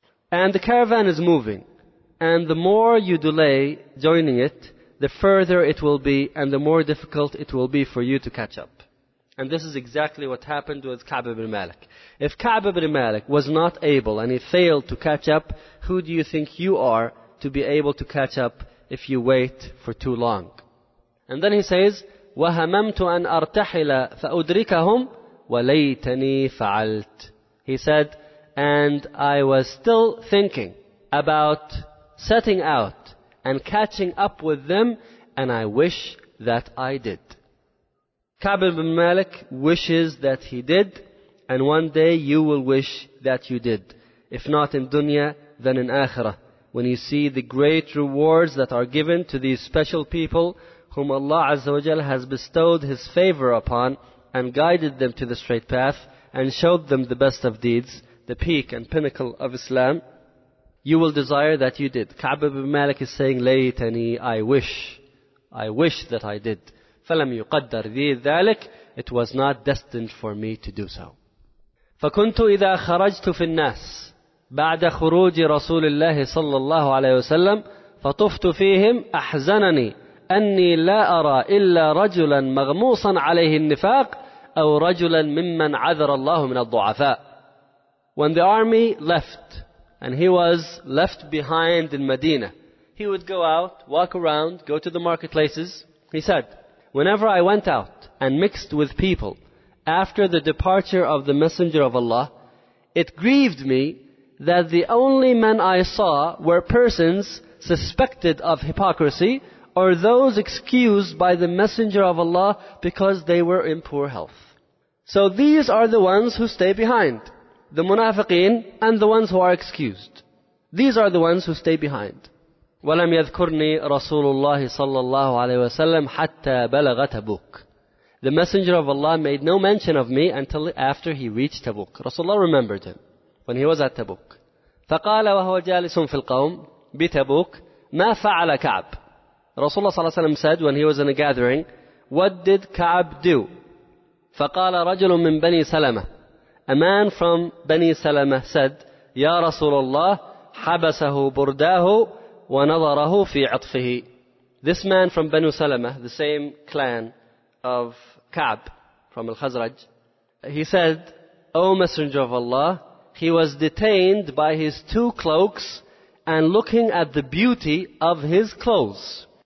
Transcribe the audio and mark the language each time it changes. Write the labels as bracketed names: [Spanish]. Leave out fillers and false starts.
[English] And the caravan is moving, and the more you delay joining it, the further it will be, and the more difficult it will be for you to catch up. And this is exactly what happened with Ka'b ibn Malik. If Ka'b ibn Malik was not able, and he failed to catch up, who do you think you are to be able to catch up if you wait for too long? And then he says, [Arabic] وَهَمَمْتُ أَنْ أَرْتَحِلَ فَأُدْرِكَهُمْ وَلَيْتَنِي فَعَلْتُ. [English] He said, and I was still thinking about setting out and catching up with them, and I wish that I did. Ka'b ibn Malik wishes that he did, and one day you will wish that you did. If not in dunya, then in akhirah. When you see the great rewards that are given to these special people, whom Allah Azza wa Jal has bestowed His favor upon and guided them to the straight path and showed them the best of deeds, the peak and pinnacle of Islam, you will desire that you did. Ka'b ibn Malik is saying, Laytani, I wish that I did. [Arabic] فَلَمْ يُقَدَّرْ ذِي ذَلِكَ. [English] It was not destined for me to do so. [Arabic] فَكُنْتُ إِذَا خَرَجْتُ فِي النَّاسِ. بعد خروج رسول الله صلى الله عليه وسلم فطفت فيهم أحزنني أني لا أرى إلا رجلا مغموصا عليه النفاق أو رجلا ممن عذر الله من الضعفاء. [English] When the army left and he was left behind in Medina, he would go out, walk around, go to the marketplaces. He said, whenever I went out and mixed with people after the departure of the Messenger of Allah, it grieved me that the only men I saw were persons suspected of hypocrisy or those excused by the Messenger of Allah because they were in poor health. So these are the ones who stay behind, the munafiqeen and the ones who are excused. These are the ones who stay behind. [Arabic] وَلَمْ يَذْكُرْنِي رَسُولُ اللَّهِ صَلَّى اللَّهُ عَلَيْهِ وَسَلَّمْ حَتَّى بَلَغَ تَبُوكُ. [English] The Messenger of Allah made no mention of me until after he reached Tabuk. Rasulullah remembered him when he was at Tabuk. [Arabic] فَقَالَ وَهُوَ جَالِسٌ فِي الْقَوْمِ بِتَبُوكُ مَا فَعَلَ كَعْبُ. [English] Rasulullah صلى الله عليه وسلم said when he was in a gathering, what did Ka'b do? [Arabic] فَقَالَ رَجُلٌ مِّن بَنِي سَلَمَةٍ. [English] A man from Bani Salama said, [Arabic] يَا رَسُولَ اللَّهِ حَبَسَهُ بُرْدَاهُ وَنَظَرَهُ فِي عَطْفِهِ. [English] This man from Banu Salama, the same clan of Ka'b from Al-Khazraj, he said, O Messenger of Allah, he was detained by his two cloaks and looking at the beauty of his clothes.